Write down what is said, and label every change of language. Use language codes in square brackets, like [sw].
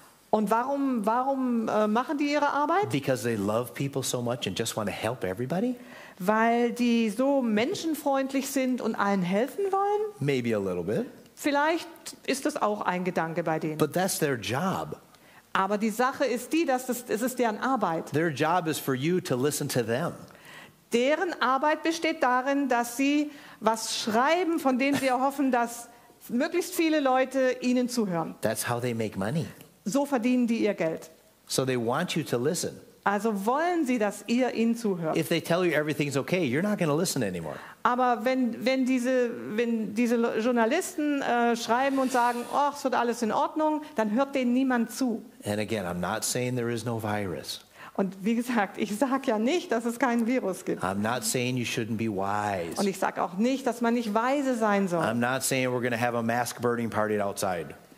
[de] Und warum machen die ihre Arbeit? [en] Because they love people so much and just want to help everybody. [de] Weil die so menschenfreundlich sind und allen helfen wollen? [en] Maybe a little bit. [de] Vielleicht ist das auch ein Gedanke bei denen. [en] But that's their job. [de] Aber die Sache ist die, dass es ist deren Arbeit. [en] Their job is for you to listen to them. [de] Deren Arbeit besteht darin, dass sie was schreiben, von dem sie erhoffen, dass möglichst viele Leute ihnen zuhören. [en] That's how they make money. [de] So verdienen die ihr Geld. [en] So they want you to listen. [de] Also wollen sie, dass ihr ihnen zuhört. [en] If they tell you everything's okay, you're not going to listen anymore. [de] Aber wenn diese Journalisten schreiben und sagen, ach, es wird alles in Ordnung, dann hört denen niemand zu. [en] And again, I'm not saying there is no virus. [de] Und wie gesagt, ich sage ja nicht, dass es kein Virus gibt. [en] I'm not saying you shouldn't be wise. [de] Und ich sage auch nicht, dass man nicht weise sein soll. [en] I'm not saying we're going to have a mask burning party outside.